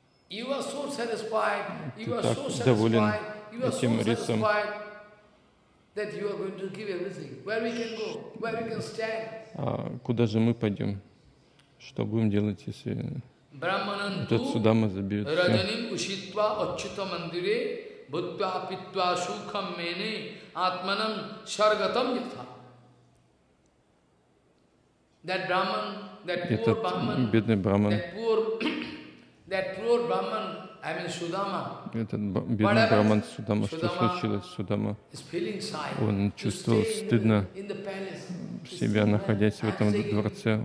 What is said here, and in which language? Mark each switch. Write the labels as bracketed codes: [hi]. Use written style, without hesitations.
[en] You are so satisfied, you are so satisfied, you are so satisfied, that you are going to give everything. Where we can go, where we can stand. [ru] А куда же мы пойдем? Что будем делать, если... Этот Судама забьет все. [sa] Будхва питва сукхам мене атманам шаргатам ятха. [en] That brahman, that poor brahman, that poor brahman, I mean Sudama. [ru] Этот бедный брахман Судама, что случилось Судама? Он чувствовал стыдно себя, находясь в этом дворце.